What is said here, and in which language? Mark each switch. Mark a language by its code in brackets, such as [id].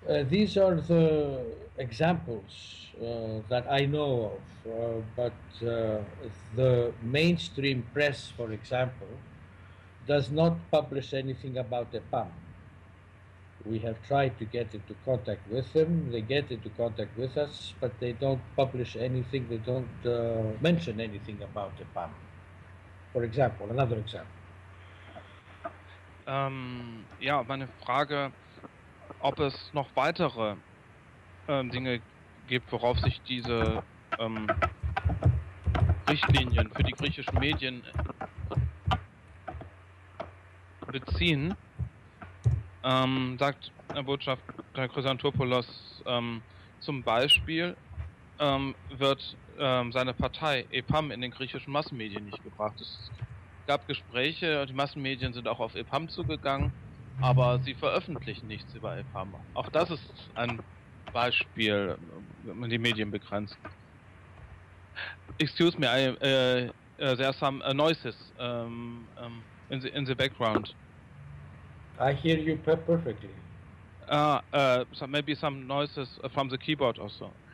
[en] These are the examples that I know of, but the mainstream press, for example, does not publish anything about EPAM. We have tried to get into contact with them, they get into contact with us, but they don't publish anything, they don't mention anything about EPAM. For example, another example. [de] Ja, meine Frage, ob es noch weitere Dinge gibt, worauf sich diese Richtlinien für die griechischen Medien beziehen. Sagt der Botschafter Chrysanthopoulos, zum Beispiel wird seine Partei EPAM in den griechischen Massenmedien nicht gebracht. Es gab Gespräche, die Massenmedien sind auch auf EPAM zugegangen, aber sie veröffentlichen nichts über EPAM. Auch das ist ein Beispiel, wenn man die Medien begrenzt. [en] Excuse me, there are some noises in the background. I hear you perfectly. So maybe some noises from the keyboard or so.